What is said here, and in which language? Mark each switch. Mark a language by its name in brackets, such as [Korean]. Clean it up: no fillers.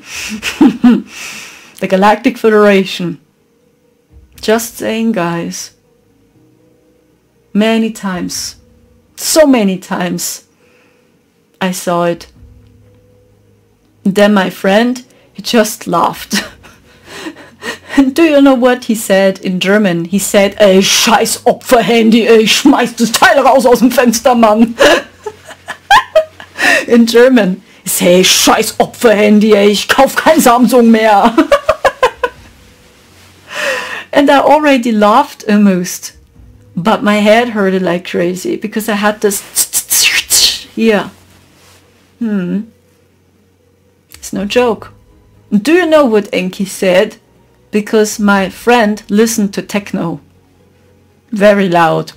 [English] The Galactic Federation. Just saying, guys. Many times, so many times, I saw it. Then my friend, he just laughed. And do you know what he said in German? He said, [German] "Ey, scheiß Opferhandy, ey, schmeiß das Teil raus aus dem Fenster, Mann." [English] In German, he said, [German] "Ey, scheiß Opferhandy, ey, ich kauf kein Samsung mehr." [English] And I already laughed almost. But my head hurt like crazy because I had this here. It's no joke. Do you know what Enki said? Because my friend listened to techno. Very loud.